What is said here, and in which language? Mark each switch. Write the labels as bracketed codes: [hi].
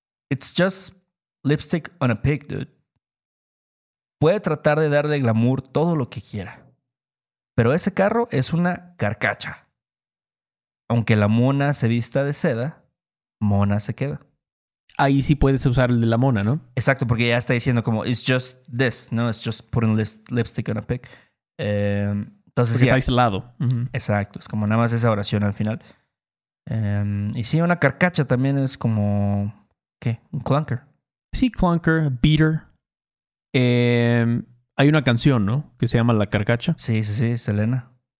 [en] It's just lipstick on a pig, dude. [es] Puede tratar de darle glamour todo lo que quiera, pero ese carro es una carcacha. Aunque la mona se vista de seda, mona se queda. Ahí sí puedes usar el de la mona, ¿no? Exacto, porque ya está diciendo como, [en] it's just this, [es] ¿no? [en] It's just putting lipstick on a pig. [es] Entonces, porque sí, está aislado. Uh-huh. Exacto, es como nada más esa oración al final. Y sí, una carcacha también es como, ¿qué? Un clunker. Sí, clunker, beater. Hay una canción, ¿no? Que se llama La Carcacha. Sí, sí, sí, Selena.